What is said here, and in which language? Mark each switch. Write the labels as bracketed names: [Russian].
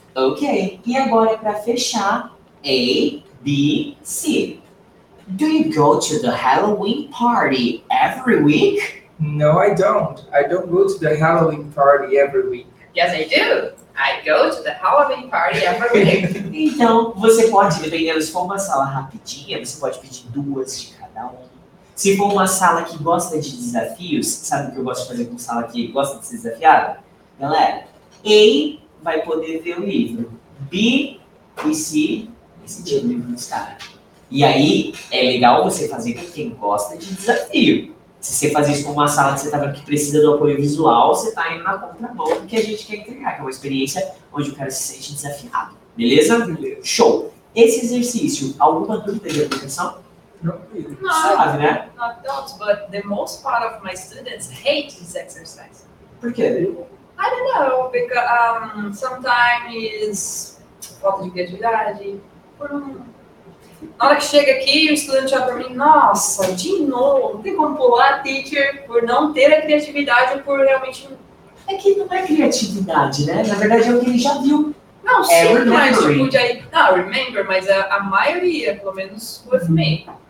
[Portuguese] Okay. E agora para fechar. A, B, C. [English] Do you go to the Halloween party every week? No, I don't. I don't go to the Halloween party every week. Yes, I do. I go to the Halloween party every week. [Portuguese] Então, você pode, dependendo, se for uma sala rapidinha, você pode pedir duas de cada um. Se for uma sala que gosta de desafios, sabe o que eu gosto de fazer com sala que gosta de ser desafiada? Galera, A vai poder ver o livro. B e C, esse dia o livro não está. E aí, é legal você fazer com quem gosta de desafio. Se você fazer isso com uma sala que você tá vendo que precisa do apoio visual, você tá indo na contramão do que a gente quer entregar, que é uma experiência onde o cara se sente desafiado. Beleza? Beleza. Show! Esse exercício, alguma dúvida de aplicação? Não, não. Sabe, né? [English] Not don't, but the most part of my students hate this exercise. [Portuguese] Por quê? [English] I don't know, because sometimes it's [Portuguese] falta de criatividade. Na hora que chega aqui, o estudante olha para mim, nossa, de novo, não tem como pular, teacher, por não ter a criatividade, por realmente... É que não é criatividade, né? Na verdade, é o que ele já viu. Não, é sim, [English] remembering. [Portuguese] Mas eu podia ir... Não, remember, mas a maioria, pelo menos, [English] with me.